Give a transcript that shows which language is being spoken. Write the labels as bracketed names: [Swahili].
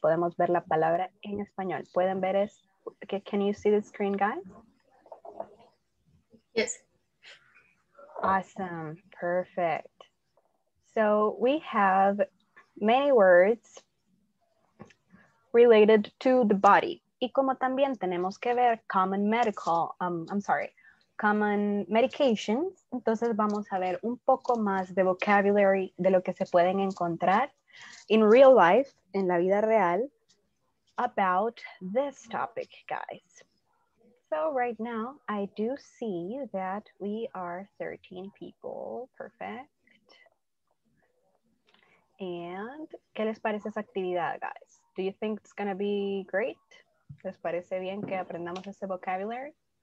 [Spanish] Podemos ver la palabra en español. Pueden ver es. [English] Okay, can you see the screen, guys? Yes. Awesome. Perfect. So we have many words related to the body. [Spanish] Y como también tenemos que ver [English] common medical, common medications. [Spanish] Entonces vamos a ver un poco más de vocabulary de lo que se pueden encontrar [English] in real life, [Spanish] en la vida real. [English] About this topic, guys. So right now, I do see that we are 13 people, perfect. And, [Spanish] ¿qué les parece esa actividad, [English] guys? Do you think it's gonna be great? [Spanish] ¿Les parece bien que aprendamos ese vocabulary?